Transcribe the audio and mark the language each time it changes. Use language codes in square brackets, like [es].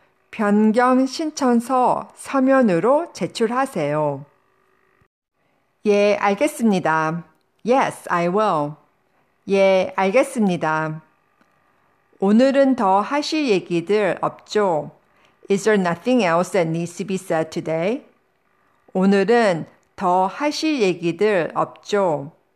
[ko] 변경 신청서 서면으로 제출하세요. 예, 알겠습니다. [en] Yes, I will. [ko] 예, 알겠습니다. 오늘은 더 하실 얘기들 없죠? [en] Is there nothing else that needs to be said today? [ko] 오늘은 더 하실 얘기들 없죠?